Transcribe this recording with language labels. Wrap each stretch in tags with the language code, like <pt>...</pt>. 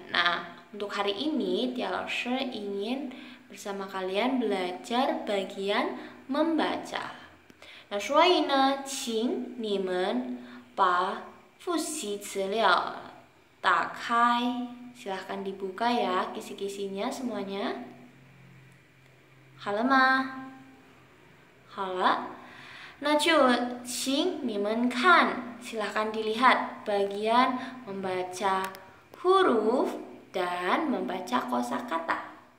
<id>Nah, untuk hari ini, Tia Lorsche ingin bersama kalian belajar bagian membaca.</id> <zh>Nah, 所以呢, 请你们把 复习资料 打开.</zh> <id>Silahkan dibuka ya, kisi-kisinya semuanya.</id> <zh>好了吗?好了.</zh> <id>Nah,</id> <zh>请你们看,</zh> <id>silahkan dilihat bagian membaca huruf dan membaca kosakata.</id>